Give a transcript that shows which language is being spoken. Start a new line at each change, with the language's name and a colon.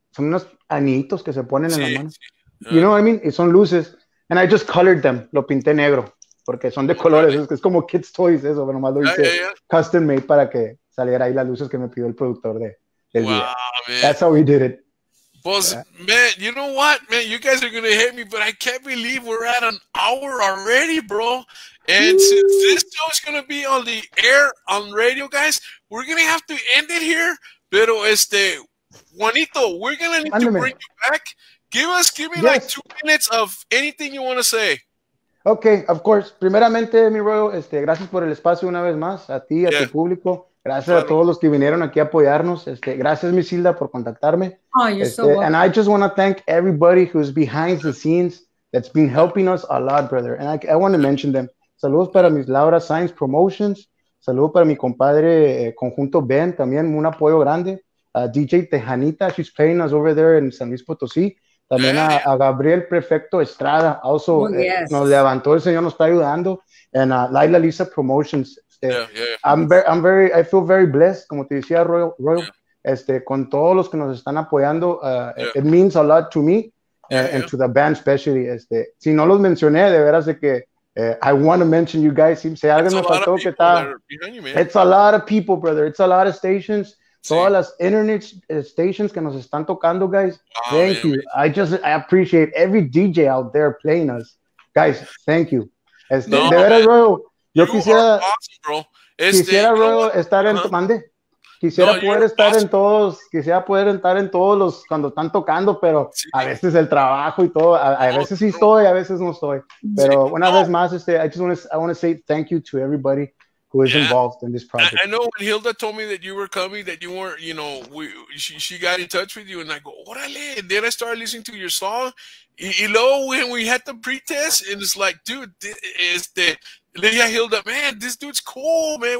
Spanish: Son unos anillitos que se ponen en la mano. Sí.
English: You know what I mean? It's on luces. And I just colored them.
Spanish: Lo pinté negro. Porque son de colores. Es como
English: kids' toys.
Spanish: Eso, pero nomás lo hice.
English: Yeah. Custom made
Spanish: para que saliera ahí las luces que me pidió el productor del video.
English: Man. That's how we did it.
Spanish: Pues,
English: man, you know what? Man, you guys are going to hate me, but I can't believe we're at an hour already, bro. And since this show is going to be on the air on radio, guys, we're going to have to end it here.
Spanish: Pero
English: Juanito, we're going to need to bring you back. Give me like 2 minutes of anything you want to say. Okay, of course.
Spanish: Primeramente, mi Royal, gracias por el espacio una vez más. A ti, a tu público. Gracias a todos los que vinieron aquí a apoyarnos. Gracias, Miss Hilda, por contactarme.
English: Oh, you're so welcome. And I just want to thank everybody who's behind the scenes that's been helping us a lot, brother. And I want to mention them.
Spanish: Saludos para mis Laura Science Promotions. Saludos para mi compadre Conjunto Ben, también un apoyo grande.
English: DJ Tejanita, she's playing us over there in San Luis Potosí.
Spanish: También a Gabriel Prefecto Estrada,
English: also
Spanish: nos levantó, el señor nos está ayudando.
English: And Laila Lisa Promotions. I feel very blessed,
Spanish: como te decía Royal.
English: Yeah.
Spanish: Con todos los que nos están apoyando,
English: it means a lot to me and to the band especially.
Spanish: Si no los mencioné, de veras de que
English: I want to mention you guys.
Spanish: Si algo me faltó, que está.
English: It's a lot of people, brother. It's a lot of stations.
Spanish: Todas las internet stations que nos están tocando,
English: guys. Thank you. Man. I appreciate every DJ out there playing us. Guys, thank you.
Spanish: De veras, Royal. Yo quisiera Royal, estar en... ¿Mande? Quisiera poder estar en todos, los cuando están tocando, pero a veces el trabajo y todo, a veces sí estoy, a veces no estoy. Pero una vez más,
English: I want to say thank you to everybody who is involved in this project. I know when Hilda told me that you were coming, that you weren't, you know, she got in touch with you, and I go,
Spanish: órale,
English: and then I started listening to your song.
Spanish: Y luego
English: when we had the pretest, and it's like, dude, Lydia Hilda, man, this dude's cool, man.